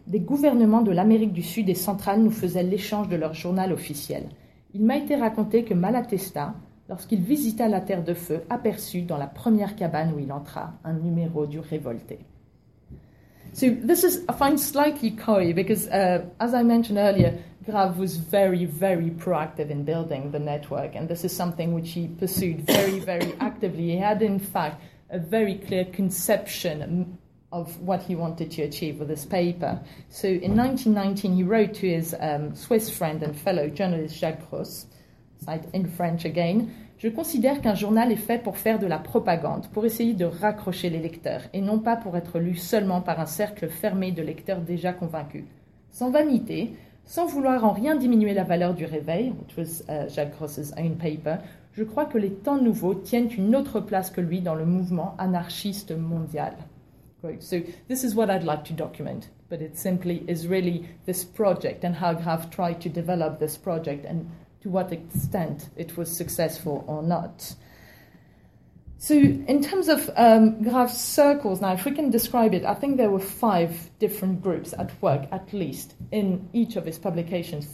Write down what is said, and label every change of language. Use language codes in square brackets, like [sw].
[fr] Des gouvernements de l'Amérique du Sud et centrale nous faisaient l'échange de leur journal officiel. Il m'a été raconté que Malatesta, lorsqu'il visita la Terre de Feu, aperçut dans la première cabane où il entra un numéro du Révolté." [en] So this is, I find, slightly coy because, as I mentioned earlier, Graf was very, very proactive in building the network, and this is something which he pursued very, very actively. He had, in fact, a very clear conception of what he wanted to achieve with this paper. So in 1919, he wrote to his Swiss friend and fellow journalist Jacques Ross, cite in French again, [fr] "Je considère qu'un journal est fait pour faire de la propagande, pour essayer de raccrocher les lecteurs, et non pas pour être lu seulement par un cercle fermé de lecteurs déjà convaincus. Sans vanité, sans vouloir en rien diminuer la valeur du Réveil," [en] which was Jacques Ross's own paper, [fr] "je crois que les temps nouveaux tiennent une autre place que lui dans le mouvement anarchiste mondial." [en] Right. So this is what I'd like to document, but it simply is really this project and how Graf tried to develop this project and to what extent it was successful or not. So in terms of Graf's circles, now if we can describe it, I think there were five different groups at work, at least, in each of his publications.